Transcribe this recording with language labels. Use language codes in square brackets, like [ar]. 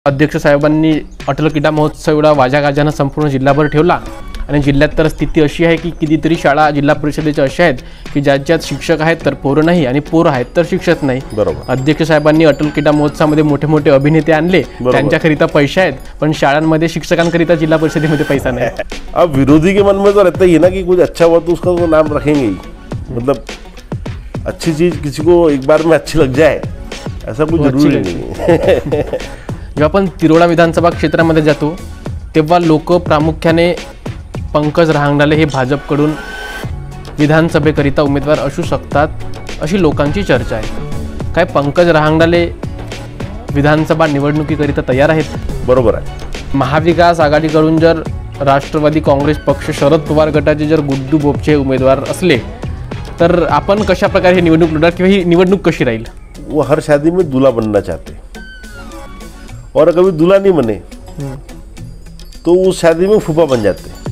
[mr] अध्यक्ष साहेबांनी अटल क्रीडा महोत्सव एवढा वाजा गाजाने संपूर्ण जिल्हाभर ठेवला आणि जिल्ह्यात तर स्थिती अशी आहे की कितीतरी शाळा जिल्हा परिषदेच्या अशा आहेत की ज्यांच्यात शिक्षक आहेत तर पोरं नाही आणि पोरं आहेत तर शिक्षक नाही. बरोबर. अध्यक्ष साहेबांनी अटल क्रीडा महोत्सवामध्ये मोठे मोठे अभिनेते आणले त्यांच्याकरिता पैसे आहेत पण शाळांमध्ये शिक्षकांकरिता जिल्हा परिषदेमध्ये पैसा नाही. [hi] अब विरोधी के मन में तो रहता ही ना कि कुछ अच्छा हुआ तो उसका तो नाम रखेंगे ही. मतलब अच्छी चीज किसी को एक बार में अच्छी लग जाए ऐसा कुछ जरूरी नहीं. [mr] जो अपन तिरोड़ा विधानसभा क्षेत्र मध्ये जातो तेव्हा लोक प्रामुख्याने पंकज रहांगडाले हे भाजपकडून विधानसभेकरिता उमेदवार असू शकतात अशी लोकांची चर्चा आहे. काय पंकज रहांगडाले विधानसभा निवडणुकीकरिता तयार आहेत? बरोबर आहे. महाविकास आघाडीकडून जर राष्ट्रवादी काँग्रेस पक्ष शरद पवार गटाचे जर गुड्डू बोपचे उमेदवार असले तर आपण कशा प्रकारे ही निवडणूक लढणार किंवा ही निवडणूक कशी राहील? [hi] वो हर शादी में दूल्हा बनना चाहते और कभी दूल्हा नहीं बने तो उस शादी में फूफा बन जाते.